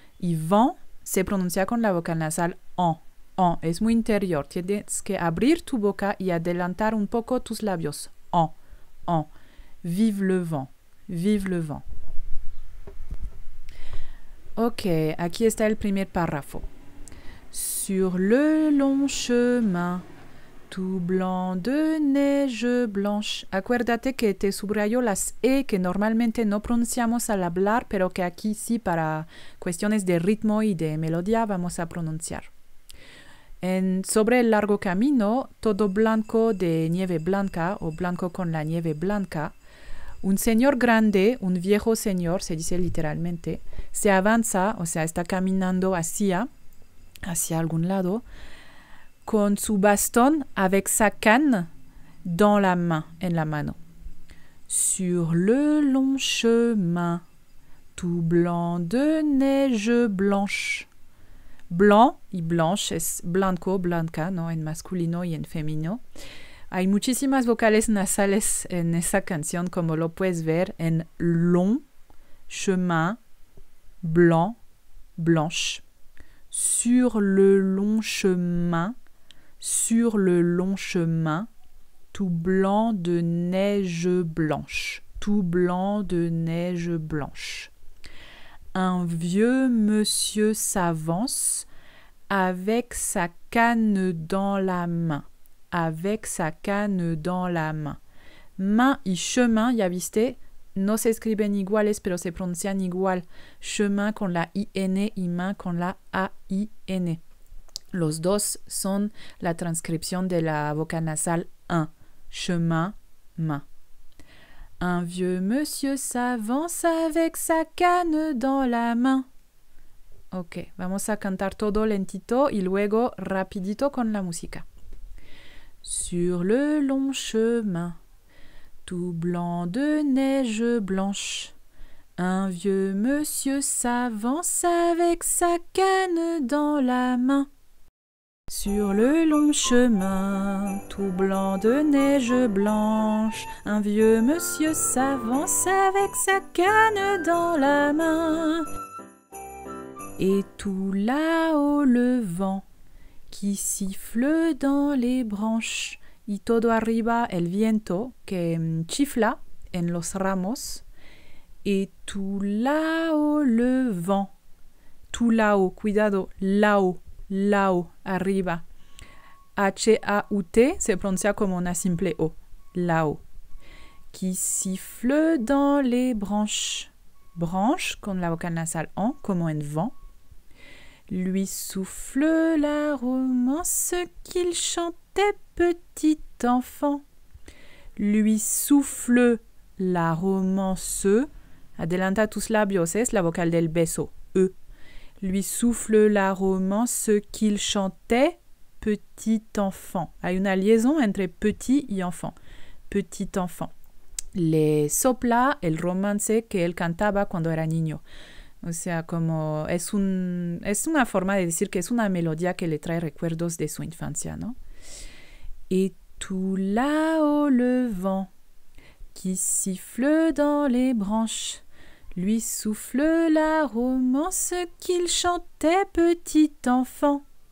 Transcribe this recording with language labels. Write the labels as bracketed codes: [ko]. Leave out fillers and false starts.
[es] Y vent se pronuncia con la vocal nasal en, en. Es muy interior. Tienes que abrir tu boca y adelantar un poco tus labios. En, en. [fr] Vive le vent, vive le vent. [es] Ok, aquí está el primer párrafo. [fr] Sur le long chemin, tout blanc de neige blanche. [es] Acuérdate que te subrayo las E que normalmente no pronunciamos al hablar, pero que aquí sí, para cuestiones de ritmo y de melodía, vamos a pronunciar. Sobre el largo camino, todo blanco de nieve blanca o blanco con la nieve blanca. Un señor grande, un viejo señor, se dice literalmente, se avanza, o sea, está caminando hacia algún lado, con su bastón, [fr] avec sa canne, dans la main, [es] en la mano. [fr] Sur le long chemin, tout blanc de neige blanche. [es] Blanc y blanche, es blanco, blanca, ¿no? En masculino y en femenino. Hay muchísimas vocales nasales en esa canción, como lo puedes ver en long, chemin, blanc, blanche. [fr] Sur le long chemin, sur le long chemin, tout blanc de neige blanche, tout blanc de neige blanche. Un vieux monsieur s'avance avec sa canne dans la main. Avec sa canne dans la main. [es] Main y chemin, ya viste, no se escriben iguales, pero se pronuncian igual. Chemin con la IN y main con la AIN. Los dos son la transcripción de la vocal nasal 1. [fr] Chemin, main. Un vieux monsieur s'avance avec sa canne dans la main. [es] Ok, vamos a cantar todo lentito y luego rapidito con la música. [fr] Sur le long chemin, tout blanc de neige blanche, un vieux monsieur s'avance avec sa canne dans la main. Sur le long chemin, tout blanc de neige blanche, un vieux monsieur s'avance avec sa canne dans la main. Et tout là-haut le vent, qui siffle dans les branches. [es] Y todo arriba el viento, que chifla en los ramos. [fr] Et tout là-haut le vent. Tout là-haut, cuidado, là-haut, là-haut, arriba. [es] H-A-U-T se pronuncia como una simple O, là-haut. [fr] Qui siffle dans les branches. [es] Branches, con la vocal nasal en, como en vent. [fr] Lui souffle la romance qu'il chantait petit enfant. Lui souffle la romance. [es] Adelanta tus labios, es la vocal del beso. E. [fr] Lui souffle la romance qu'il chantait petit enfant. [es] Hay una liaison entre petit y enfant. Petit enfant. Le sopla el romance que él cantaba cuando era niño. O sea, como es una forma de decir que es una melodía que le trae recuerdos de su infancia, ¿no? [fr] Y tout là-haut le vent qui siffle dans les branches lui souffle la romance qu'il chantait petit enfant.